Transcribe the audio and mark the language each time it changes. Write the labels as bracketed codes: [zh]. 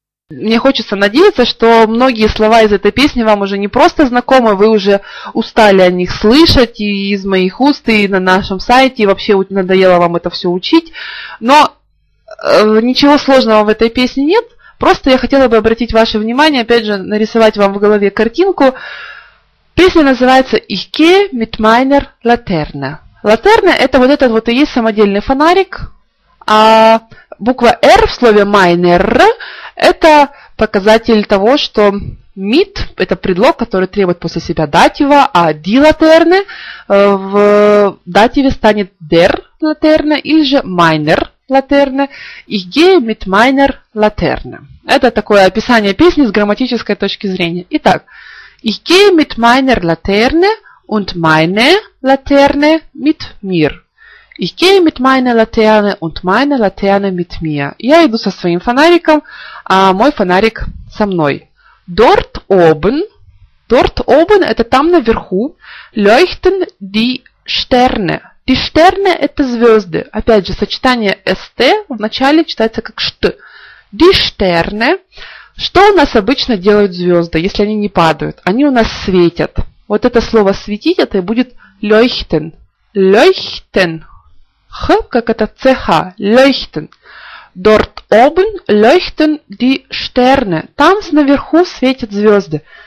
[ru] Мне хочется надеяться, что многие слова из этой песни вам уже не просто знакомы, вы уже устали о них слышать и из моих уст, и на нашем сайте, и вообще надоело вам это все учить. Но ничего сложного в этой песне нет, просто я хотела бы обратить ваше внимание, опять же, нарисовать вам в голове картинку. Песня называется «Ich gehe mit meiner Laterne». Латерна – это вот этот вот и есть самодельный фонарик, а буква «R» в слове «meiner» – это показатель того, что mit – это предлог, который требует после себя датива, а die Laterne в дативе станет der Laterne или же meiner Laterne. [de] Ich gehe mit meiner Laterne. [ru] Это такое описание песни с грамматической точки зрения. Итак, [de] ich gehe mit meiner Laterne und meine Laterne mit mir. Ich gehe mit meiner Laterne und meine Laterne mit mir. [ru] Я иду со своим фонариком, а мой фонарик со мной. [de] Dort oben, dort oben, [ru] это там наверху, [de] leuchten die Sterne. Die Sterne [ru] – это звезды. Опять же, сочетание «st» вначале читается как «st». [de] Die Sterne. [ru] Что у нас обычно делают звезды, если они не падают? Они у нас светят. Вот это слово «светить» – это и будет leuchten. [de] Leuchten. [ru] Х, как это ЦХ, leuchten. [de] Dort oben leuchten die Sterne. [ru] Там наверху светят звезды.